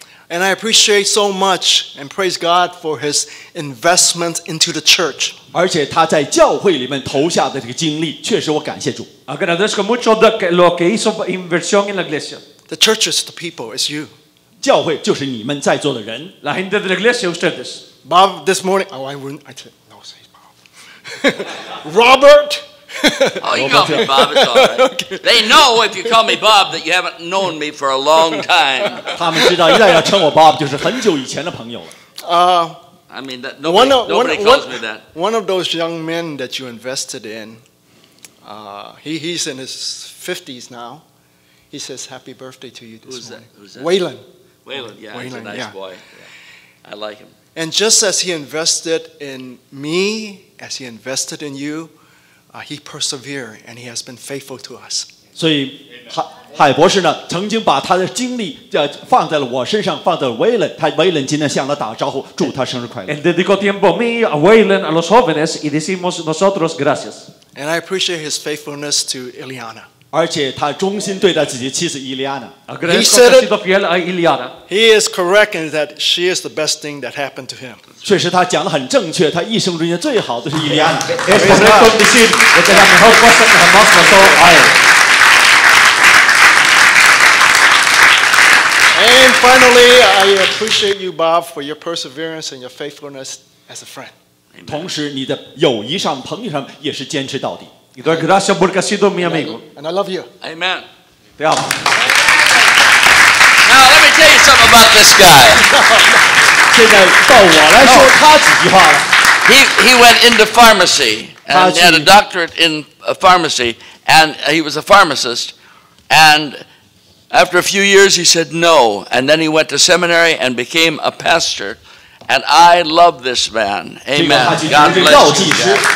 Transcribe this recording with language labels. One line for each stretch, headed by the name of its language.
English: And I appreciate so much and praise God for his investment into the church.
Chinese: 而且他在教会里面投下的这个精力，确实我感谢主。
Spanish: Agradezco mucho de lo que hizo inversión en la iglesia.
English: The church is the people, it's you.
Chinese: 教会就是你们在座的人。
Spanish: La gente de la iglesia, ustedes.
English: Bob, this morning, oh, I wouldn't, I said, no, say Bob. Robert. Oh, you call me Bob, it's all right. Okay. They know if you call me Bob that you haven't known me for a long time.
Chinese: 他们知道一旦要称我Bob就是很久以前的朋友了。
English: I mean, that nobody calls me that. One of those young men that you invested in, he's in his 50s now. He says, happy birthday to you this morning. Who's that? Waylon, he's a nice boy. Yeah. I like him. And just as he invested in me, as he invested in you, he persevered and he has been faithful to us.
Chinese: So, 海博士呢，曾经把他的精力放在了我身上，放在了Waylon。他Waylon今天向他打招呼，祝他生日快乐。
English: And
Spanish: dedicó tiempo a mí, a Waylon, a los jóvenes, y decimos nosotros gracias.
English: And I appreciate his faithfulness to Ileana.
Chinese: 而且他忠心对待自己妻子Ileana.
English: He said it,
Spanish: fiel a Ileana.
English: He is correct in that she is the best thing that happened to him.
Chinese: 确实他讲得很正确，他一生中间最好的是Ileana.
Spanish: Es correcto decir que es la mejor cosa que jamás pasó a él.
English: And finally, I appreciate you, Bob, for your perseverance and your faithfulness as a friend.
Chinese: 同时，你的友谊上、朋友上也是坚持到底。
Spanish: Y doy gracias porque has sido mi amigo.
English: And I love you. Amen.
Spanish: Te amo.
English: Now, let me tell you something about this guy.
Chinese: 现在到我来说他几句话了。
English: He went into pharmacy and had a doctorate in pharmacy, and he was a pharmacist, and After a few years, he said no, and then he went to seminary and became a pastor. And I love this man. Amen. God bless you.